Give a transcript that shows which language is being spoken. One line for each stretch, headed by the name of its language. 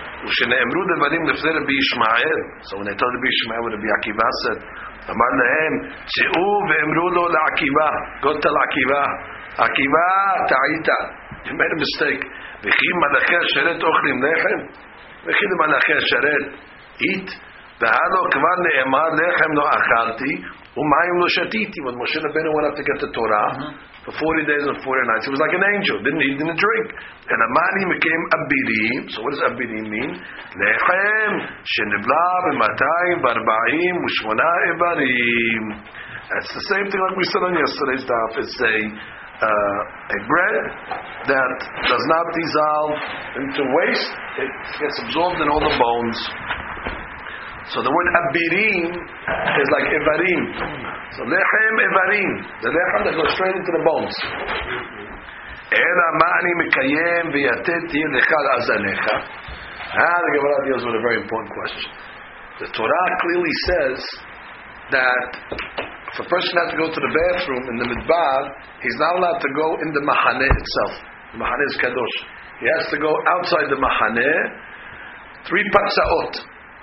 Hebrew: ושנאמרו דברים לפני רבי ישמעאל.
English: So when they told
Hebrew: רבי ישמעאל,
English: what
Hebrew: רבי עקיבא said, אמר להם, צאו ואמרו לו לעקיבא,
English: go tell
Hebrew: עקיבא, עקיבא, טעית,
English: you made a mistake,
Hebrew: וכי מלאכי השרת אוכלים לחם, וכי למלאכי השרת,
English: eat,
Hebrew: והלו כבר נאמר, לחם לא אכלתי, ומים לא שתיתי.
English: When משה רבנו went up to get the Torah, for 40 days and 40 nights, he was like an angel, didn't drink. And Amani became Abirim. So what does Abirim mean?
Hebrew: Lechem shenibla b'matayim b'arba'im u'shmona evarim.
English: That's the same thing like we said on yesterday's daf. It's a bread that does not dissolve into waste. It gets absorbed in all the bones. So the word Abirim is like evarim. So lechem evarim. The lechem that goes straight into the bones.
Hebrew: אלא מה אני מקיים ויתתי לך לאזניך.
English: The Gemara deals with a very important question. The Torah clearly says that if a person has to go to the bathroom in the midbar, he's not allowed to go in the mahane itself. The mahane is kadosh. He has to go outside the mahane three patsaot.